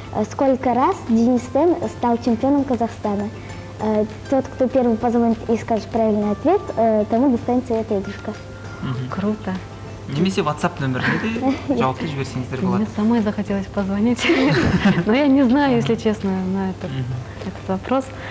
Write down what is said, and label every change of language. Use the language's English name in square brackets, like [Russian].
[Russian] Сколько раз Денис Тен стал чемпионом Казахстана? Тот, кто первым позвонит и скажет правильный ответ, тому достанется эта игрушка. Круто. [Kazakh] Немесе WhatsApp номерінде де жауапты жіберсеңіздер болады. [Russian] Мне самой захотелось позвонить. Но я не знаю, если честно, на этот вопрос.